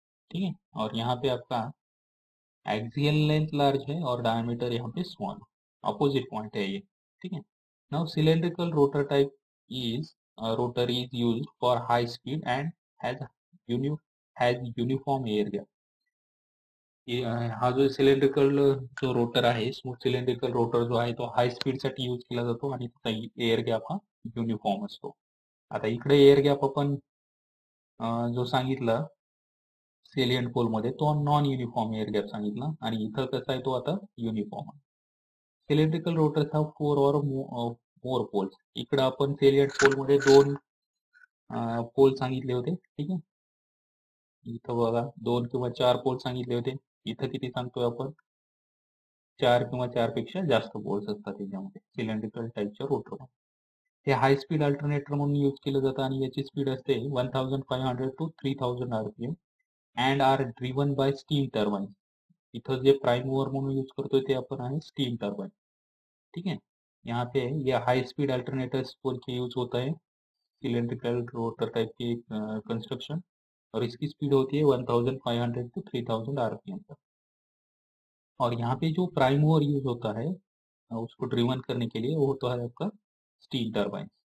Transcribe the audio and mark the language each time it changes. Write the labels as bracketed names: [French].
[Hindi] ठीक है, और यहाँ पे आपका एक्सियल लेंथ लार्ज है और डायमीटर यहाँ पे स्मॉल, अपोजिट पॉइंट है ये. [English] ठीक है, now cylindrical rotor type is rotor is use for high speed and has uniform air gap. [Marathi] हा जो सिलेंड्रिकल जो रोटर आहे, स्मूथ सिलेंड्रिकल रोटर जो आहे तो हाई स्पीड साठी यूज केला जातो आणि त्याचा एअर गॅप हा युनिफॉर्म असतो. आता इकडे एअर गॅप आपण जो सांगितला सेलियंट पोल मध्ये तो नॉन युनिफॉर्म एअर गॅप सांगितला आणि इथं कसा आहे तो आता युनिफॉर्म आहे. सिलेंड्रिकल रोटर हा फोर और मोर पोल्स. इकडे आपण सेलियंट पोल मध्ये दोन पोल सांगितले होते. ठीक आहे, इथं बघा दोन किंवा चार पोल सांगितले होते, इथं किती सांगतोय आपण, चार किंवा चार पेक्षा जास्त पोल्स असतात त्याच्यामध्ये सिलेंड्रिकल टाईपच्या रोटर. हे हाय स्पीड अल्टरनेटर म्हणून यूज केलं जातं आणि याची स्पीड असते 1500 to 3000 RPM [English] And are driven by steam turbine. [Marathi] इथं जे प्राइम मूवर म्हणून यूज करतोय ते आपण आहे स्टीम टर्बाईन. [Hindi] ठीक आहे, यहाँ पे ये हाई स्पीड अल्टरनेटर फोर के यूज होता है, सिलेंड्रिकल रोटर टाइप की कंस्ट्रक्शन, और इसकी स्पीड होती है 1500 to 3000 RPM पर. और यहाँ पे जो प्राइम मूवर यूज होता है उसको ड्रिवन करने के लिए, वो होता है आपका स्टीम टर्बाइन.